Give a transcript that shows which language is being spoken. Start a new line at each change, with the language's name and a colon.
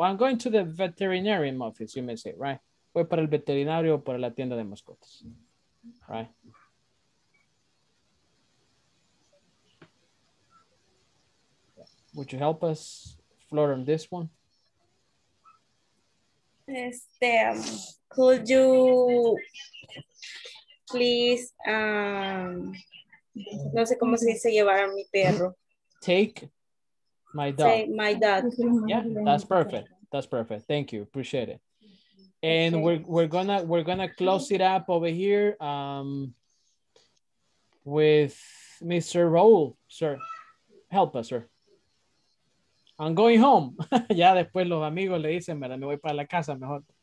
English: I'm going to the veterinarian office, you may say, right?
Spanish: Voy para el veterinario o para la tienda de mascotas.
English: Right. Would you help us, Floor, on this one? Could you please,
Spanish: no sé cómo se dice llevar a mi perro.
English: Take my dog. Take my dog. Yeah, that's perfect. That's perfect. Thank you. Appreciate it. And okay. we're gonna close it up over here with Mr. Raul, sir. Help us, sir. I'm going home.
Spanish: Ya después los amigos le dicen, me voy para la casa mejor.